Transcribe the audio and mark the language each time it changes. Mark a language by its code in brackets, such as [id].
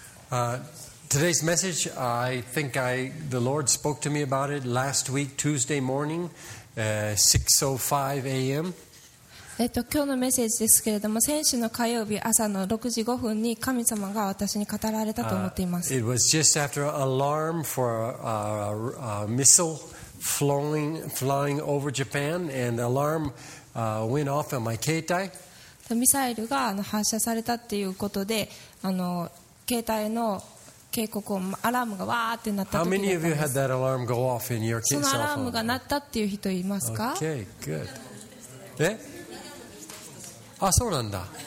[en] Today's message, the Lord spoke to me about it last week, Tuesday morning, 6:05 a.m. [ja] 今日のメッセージですけれども、先週の火曜日朝の6時5分に神様が私に語られたと思っています。 [en] It was just after an alarm for a missile flying over Japan, and the alarm went off on my 携帯。 [ja] ミサイルが発射されたということで、携帯の警告音、アラームがわーってなった時に、そのアラームが鳴ったっていう人いますか？ [en] Okay, good. [ja] え？あ、そうなんだ。